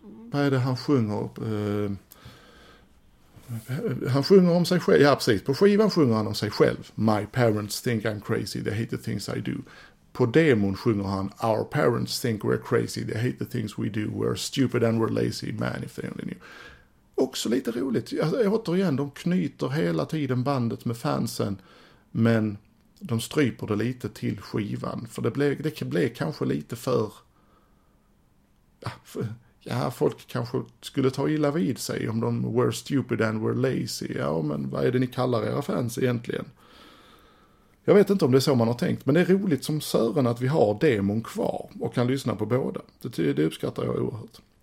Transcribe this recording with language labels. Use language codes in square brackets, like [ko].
[sv] Vad är det han sjunger upp? Han sjunger om sig själv. Ja, precis. På skivan sjunger han om sig själv. [en] My parents think I'm crazy. They hate the things I do. [sv] På demon sjunger han [en] Our parents think we're crazy. They hate the things we do. We're stupid and we're lazy. Man, if they only knew. [sv] Också lite roligt. Jag återigen, de knyter hela tiden bandet med fansen. Men de stryper det lite till skivan. För det blev kanske lite för... Ja, folk kanske skulle ta illa vid sig om de [en] were stupid and were lazy. [sv] Ja, men vad är det ni kallar era fans egentligen? Jag vet inte om det är så man har tänkt. Men det är roligt som Sören att vi har demon kvar och kan lyssna på båda. Det uppskattar jag oerhört.